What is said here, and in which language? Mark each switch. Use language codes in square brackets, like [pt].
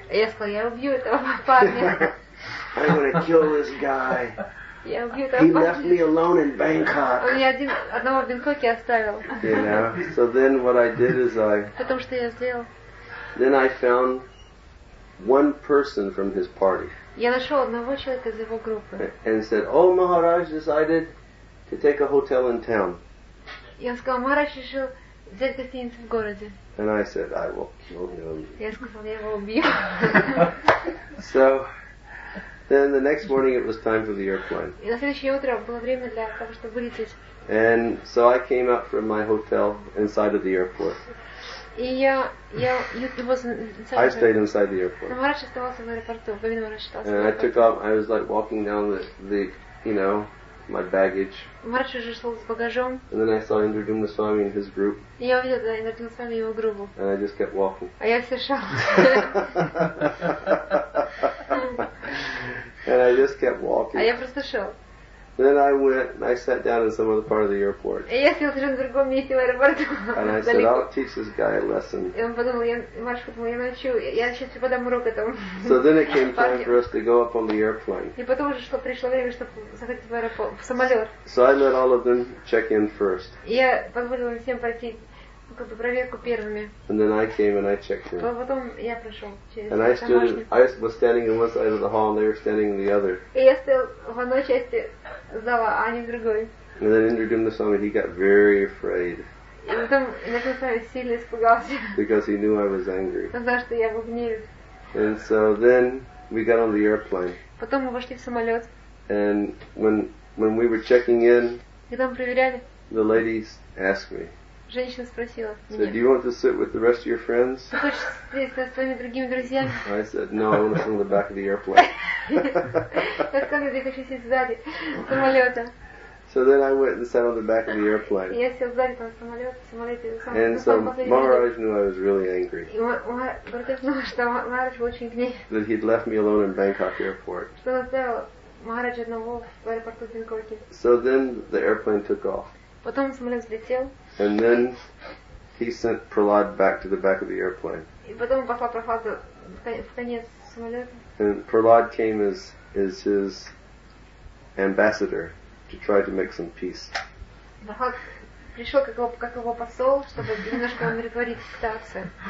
[ru] Я сказал, я убью этого парня. [en] I'm gonna kill this guy. [ru] Я убью этого парня. [en] He left me alone in Bangkok. [ru] Он меня одного в Бангкоке оставил. [en] You know? So then what I did is I. [ru] Потом что я сделал? [en] Then I found one person from his party. [ru] Я нашел одного человека из его группы. [en] And said, oh, Maharaj decided to take a hotel in town. [ru] И он сказал, Мараш решил взять гостиницу в городе. [en] And I said, I will kill him. [ru] Я сказал, я его убью. [en] So, then the next morning it was time for the airplane. [ru] И на следующее утро было время для того, чтобы вылететь. [en] And so I came up from my hotel inside of the airport. [ru] И я [en] I stayed inside the airport. [ru] Но Мараш оставался в аэропорту. Бабин Мараш оставался. [en] And I took off. I was like walking down the you know. My baggage. [ru] Мараш уже шел с багажом. [en] And then I saw Indradumaswamy and his group. [ru] И я увидел Индрадумаswamy и его группу. [en] And I just kept walking. [ru] А я все шел. [en] And I just kept walking. [ru] А я просто шел. [en] Then I went and I sat down in some other part of the airport. [ru] И я сел уже в другом месте в аэропорту. [en] And I said, I'll teach this guy a lesson. [ru] И он подумал, Мараш подумал, я научу, я сейчас преподам урок этому. [en] So then it came time for us to go up on the airplane. [ru] И потом уже пришло время, чтобы заходить в аэропорт, в самолет. [en] So I let all of them check in first. [ru] И я позволил всем пройти как бы проверку первыми. [en] And then I came and I checked in. [ru] Потом я прошел через. [en] And I was standing in one side of the hall and they were standing in the other. [ru] И я стоял в одной части зала, а они в другой. [en] And then Indradumaswamy, he got very afraid. [ru] И потом Индрадумаswамy сильно испугался. [en] Because he knew I was angry. [ru] Он знал, что я был гнев. [en] And so then we got on the airplane. [ru] Потом мы вошли в самолет. [en] And when we were checking in. [ru] Когда мы проверяли. [en] The ladies asked me. [ru] Женщина спросила. [en] So, do you want to sit with the rest of your friends? [ru] Ты хочешь сидеть с твоими другими друзьями? [en] I said, no, I want to sit on the back of the airplane. [ru] Я сказала, я хочу сидеть сзади самолета. [en] So then I went and sat on the back of the airplane. [ru] Я сел сзади там самолете. [en] And so Maharaj knew I was really angry. [ru] И Маратеш знал, что Маратеш был очень гнев. [en] That he'd left me alone in Bangkok airport. [ru] Что оставил Маратеш одного в аэропорту Бангкоке. [en] So then the airplane took off. [ru] Потом самолет взлетел. [en] And then he sent Prahlad back to the back of the airplane. [ru] И потом послал Прохлада в конец самолета. [en] And Prahlad came as his ambassador to try to make some peace. [ru] Прохлад пришел как его посол, чтобы немножко умиротворить ситуацию.